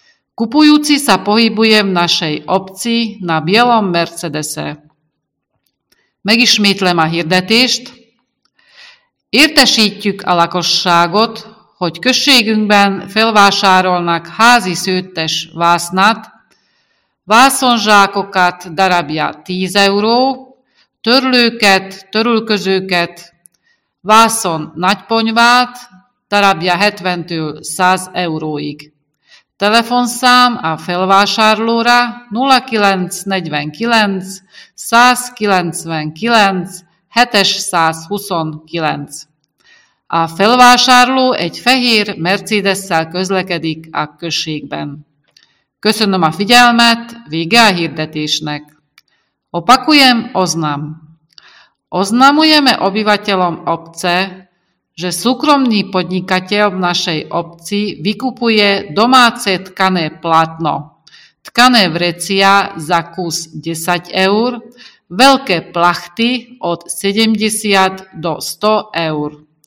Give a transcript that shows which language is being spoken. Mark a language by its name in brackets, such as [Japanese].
[Slovak] Kupujúci sa pohybuje v našej obci na bielom Mercedese. [Hungarian] Megismétlem a hirdetést. Értesítjük a lakosságot, hogy községünkben felvásárolnak házi szőttes vásznat, vászonzsákokat darabja 10 euró, törlőket, törülközőket, vászon nagyponyvát darabja 70-től 100 euróig. Telefonszám a felvásárlóra 0949 199 729. A felvásárló egy fehér Mercedes-szel közlekedik a községben. Köszönöm a figyelmet, vége a hirdetésnek. [Slovak] Opakujem oznam. Oznamujeme obyvateľom obce, že súkromný podnikateľ v našej obci vykupuje domáce tkané plátno, tkané vrecia za kus 10 eur, veľké plachty od 70 do 100 eur.